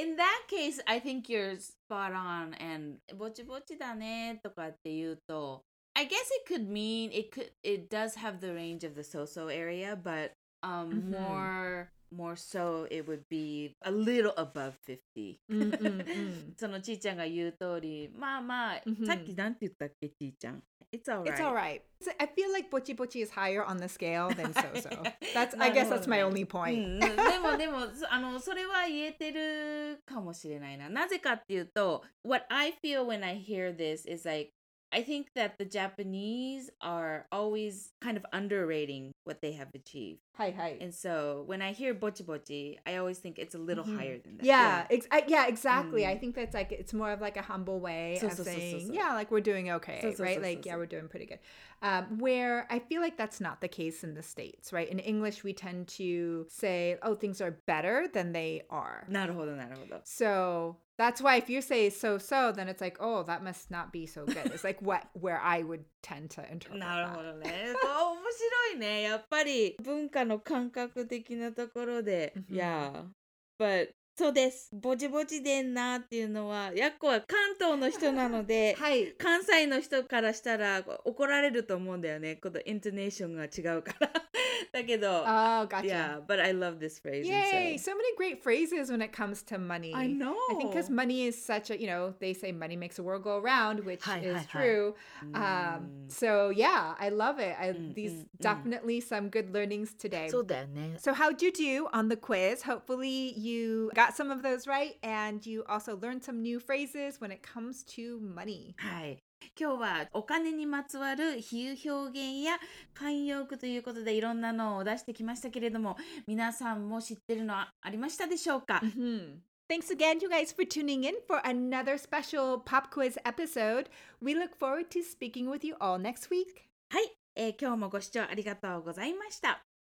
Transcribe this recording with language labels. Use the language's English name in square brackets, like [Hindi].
[English] In that case, I think you're spot on. And [Japanese] ぼちぼちだねとかって言うと、 [English] I guess it could mean, it does have the range of the so-so area, but more so, it would be a little above 50. [Japanese] そのちーちゃんが言う通り、まあまあ、さっきなんて言ったっけ、ちーちゃん。 [English] It's all right. It's all right. So I feel like ぼちぼちis higher on the scale than so-so. That's, I guess that's my only point. [Japanese] でも、それは言えてるかもしれないな。なぜかっていうと、 [English] what I feel when I hear this is like, I think that the Japanese are always kind of underrating what they have achieved. Hi, hi. And so when I hear bochi bochi, I always think it's a little higher than that. Yeah, exactly. I think that's like, it's more of like a humble way of saying, yeah, like we're doing okay, right? Like, yeah, we're doing pretty good. Where I feel like that's not the case in the States, right? In English, we tend to say, oh, things are better than they are. [Japanese] なるほど、なるほど。 [English] So that's why if you say so-so, then it's like, oh, that must not be so good. It's like what where I would tend to interpret [Japanese] なるほどね。面白いね。やっぱり文化の感覚的なところで。 [English] Yeah. But... [Japanese] そうです。ぼちぼちでんなっていうのは、やっこは関東の人なので、はい、関西の人からしたら怒られると思うんだよね。このイントネーションが違うから。だけど、 [English] Oh, gotcha. Yeah, but I love this phrase. Yay! So many great phrases when it comes to money. I know! I think because money is such a, you know, they say money makes the world go around, which is true. So yeah, I love it. These definitely some good learnings today. [Japanese] そうだよね。 [English] So how'd you do on the quiz? Hopefully you got some of those right and you also learned some new phrases when it comes to money. [Japanese] はい。今日はお金にまつわる比喩表現や慣用句ということでいろんなのを出してきましたけれども皆さんも知ってるのはありましたでしょうか、 [English] mm-hmm. Thanks again you guys for tuning in for another special pop quiz episode. We look forward to speaking with you all next week. [Japanese] はい、今日もご視聴ありがとうございました。